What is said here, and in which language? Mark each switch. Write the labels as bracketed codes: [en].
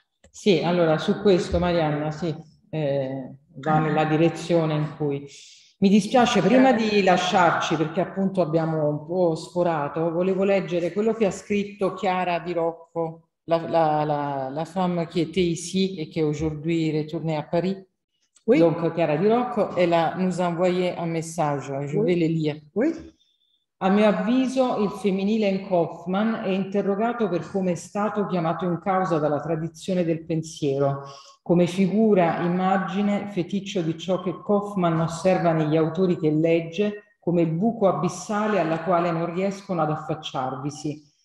[it] Sì, allora, su questo, Mariana, sì. Va nella direzione in cui mi dispiace, prima di lasciarci, perché appunto abbiamo un po' sforato, volevo leggere quello che ha scritto Chiara Di Rocco, [fr] la femme qui était ici [it] e che [fr] aujourd'hui retourne [it] a Paris. [fr] Oui. Donc Chiara Di Rocco e la nous a envoyé un message, je vais le lire. Oui. [it] A mio avviso il femminile in Kaufman è interrogato per come è stato chiamato in causa dalla tradizione del pensiero, come figura, immagine, feticcio di ciò che Kaufman osserva negli autori che legge, come il buco abissale alla quale non riescono ad affacciarvisi.